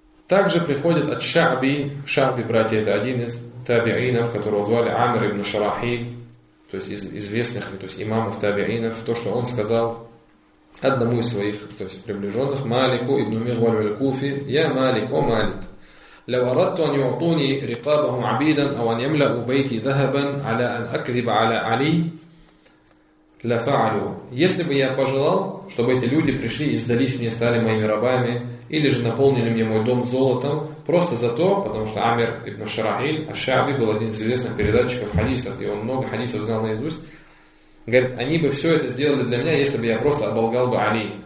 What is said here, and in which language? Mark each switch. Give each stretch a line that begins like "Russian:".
Russian: Также приходит от Шааби. Шааби, братья, это один из табиинов, которого звали Амир ибн Шарахи, то есть из известных, то есть имамов табиинов. То, что он сказал одному из своих, то есть приближенных, Малику ибн Мигваль аль-Куфи: «Я Малик, о Малик!
Arabic: لو أردت أن يعطوني رقابهم عبيدا أو أن يملأوا بيتي ذهبا على أن أكذب على علي لفعلوا».
Russian: Если бы я пожелал, чтобы эти люди пришли и сдались мне, стали моими рабами, или же наполнили мне мой дом золотом, просто за то, потому что Амир ибн Шарахиль аш-Шааби был один из известных передатчиков хадисов, и он много хадисов знал наизусть, говорит, они бы все это сделали для меня, если бы я просто оболгал бы Али.